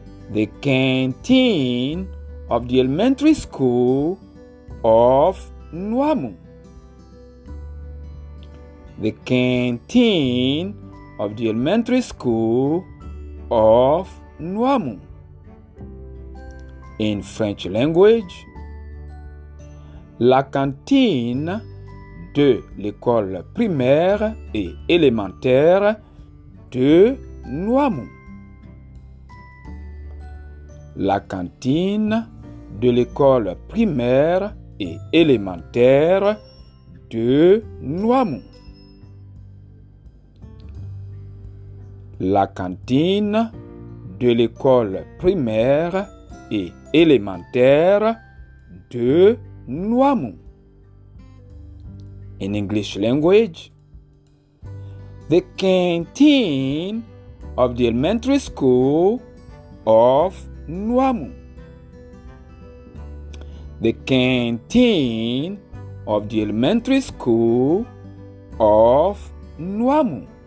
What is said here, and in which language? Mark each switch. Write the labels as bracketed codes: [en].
[en] The canteen of the elementary school of Nuamu. The canteen of the elementary school of Nuamu. In French language, [fr] la cantine de l'école primaire et élémentaire de Nuamu. la cantine de l'école primaire et élémentaire de Noamou. La cantine de l'école primaire et élémentaire de Noamou. [en] In English language, the canteen of the elementary school of Noamou. The canteen of the elementary school of Noamou.